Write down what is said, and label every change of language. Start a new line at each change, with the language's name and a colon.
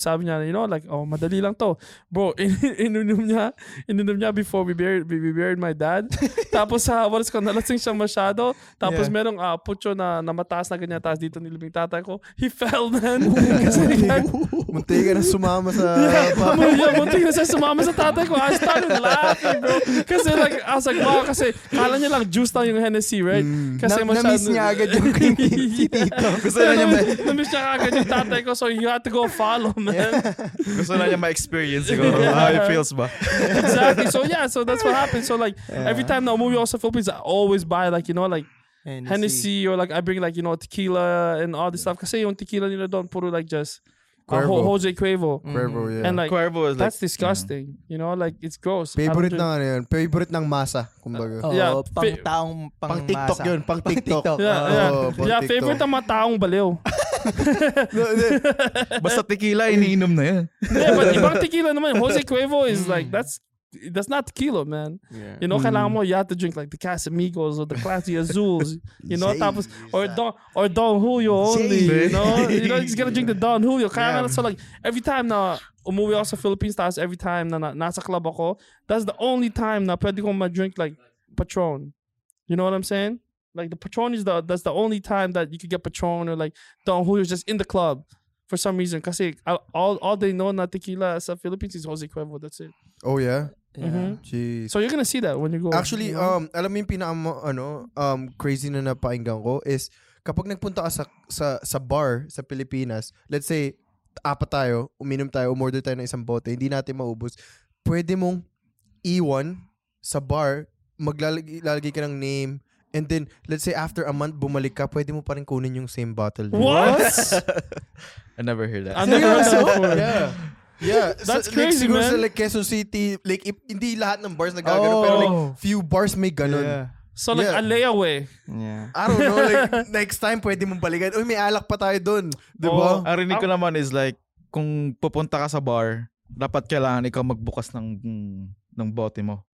Filipino: Sabi niya,
English: you know, like, oh,
Filipino: madali lang to.
English: Bro,
Filipino: ininom niya
English: before we buried my dad.
Filipino: Tapos, walas ko, nalasing siya masyado. Tapos, merong putyo na mataas na ganyan taas dito nilibing tatay ko.
English: He fell, man.
Filipino: Munti ka na sumama sa... Munti ka na siya sumama sa tatay ko.
English: I started laughing, bro.
Filipino: Kasi, like,
English: I was like, wow,
Filipino: kasi, kala niya lang juice lang yung Hennessy, right? Kasi masyado... Na-miss niya agad yung kinikita. Kasi, namiss niya kagad yung tatay ko,
English: so you have to go follow, man.
Filipino: Gusto na niya ma-experience ko
English: how it feels
Filipino: ba.
English: Exactly. So yeah, so that's what happens. So like, every time
Filipino: na umuwi ako sa
English: Philippines, I always buy like, you know, like Hennessy or like I bring like, you know, tequila and all this stuff.
Filipino: Kasi yung tequila nila doon puro like just Jose Cuervo.
English: Cuervo, yeah. And like, Cuervo is that's like, disgusting. Yeah. You know, like, it's gross.
Filipino: Favorite ng ano yun? Favorite ng masa, kumbaga. Pang-taong pang-masa. Pang-TikTok yun. Pang-TikTok. Yeah, favorite ng mga taong baliw. Basta tequila, iniinom na yun. Yeah, but ibang tequila naman.
English: Jose Cuervo is like, that's not tequila, man. Yeah. You know,
Filipino: kailangan mo,
English: you have to drink like the Casamigos or the Classy Azules, you know, tapos, or Don Julio only, you know, you just gotta drink the Don Julio. Kailangan, so like, every time
Filipino: na umuwi ako sa
English: Philippines, tapos every time
Filipino: na nasa club ako,
English: that's the only time
Filipino: na pwede kong ma-drink
English: like Patron. You know what I'm saying? Like, the Patron is that's the only time that you could get Patron or like Don Julio just in the club for some reason. Kasi all they know
Filipino: na tequila sa
English: Philippines is Jose Cuervo, that's it. Oh yeah. Mm-hmm. So you're gonna see that when you go. Actually, you know?
Filipino: Alam mo yung crazy na napakinggan ko is kapag nagpunta ka sa bar sa Pilipinas,
English: let's say
Filipino: apat tayo, uminom tayo, umorder tayo ng isang bote, hindi natin maubos. Pwede mong iwan sa bar, maglalagay ka ng name.
English: And then, let's say after a month,
Filipino: bumalik ka, pwede mo pa rin kunin yung same bottle.
English: What? I never heard that. I never heard that before. Yeah. That's so, crazy, like,
Filipino: siguro,
English: man.
Filipino: Siguro sa like, Quezon City, like, hindi lahat ng bars nagagano, pero like,
English: few bars
Filipino: may ganun. Yeah.
English: So like, a layaway. Yeah. I don't know, like, next time,
Filipino: pwede mo balikan. Uy, may alak pa tayo dun. Di ba? Ang rinig ko naman is like, kung pupunta ka sa bar, dapat kailangan ikaw magbukas ng bote mo.